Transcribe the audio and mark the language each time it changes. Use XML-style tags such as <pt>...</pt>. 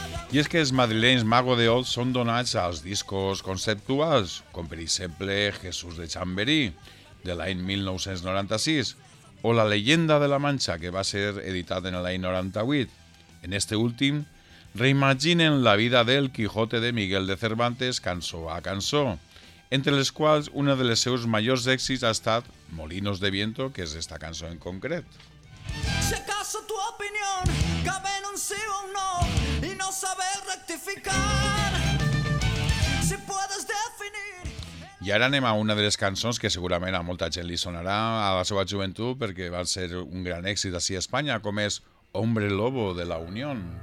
<ca>I és que els madrilenys Mago de Oz són donats als discos conceptuals, com per exemple Jesús de Chamberí, de l'any 1996, o La llegenda de la Mancha, que va ser editat en l'any 98. En este últim, reimaginen la vida del Quijote de Miguel de Cervantes cançó a cançó, entre les quals una de les seus majors èxits ha estat Molinos de Viento, que és esta cançó en concret.</ca> <es>Si acaso tu opinión cabe en un sí o un no y no saber rectificar, si puedes definir...</es> <ca>I ara anem a una de les cançons que segurament a molta gent li sonarà a la seva joventut perquè va ser un gran èxit així a Espanya, com és Hombre Lobo de la Unión.</ca>